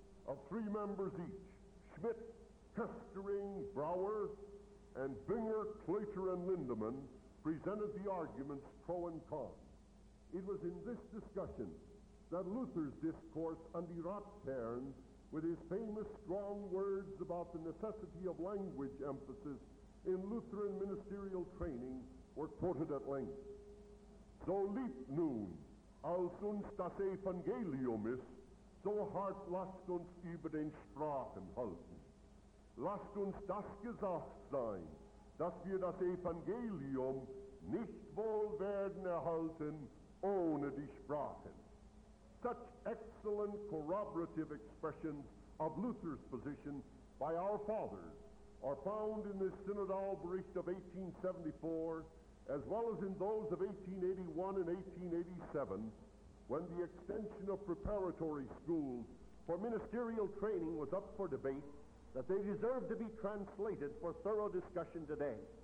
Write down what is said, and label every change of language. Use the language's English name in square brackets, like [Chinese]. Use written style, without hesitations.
[English] of three members each, Schmidt, Kestering, Brower, and Binger, Clater, and Lindemann, presented the arguments pro and con. It was in this discussion that Luther's discourse on Die Ratsherren, with his famous strong words about the necessity of language emphasis in Lutheran ministerial training, were quoted at length. [German] So liebt nun, als uns das Evangelium ist, so hart lasst uns über den Sprachen halten. Lasst uns das gesagt sein, dass wir das Evangelium nicht wohl werden erhalten ohne die Sprachen. [English] Such excellent corroborative expressions of Luther's position by our fathers are found in this Synodal Bericht of 1874, as well as in those of 1881 and 1887, when the extension of preparatory schools for ministerial training was up for debate, that they deserve to be translated for thorough discussion today.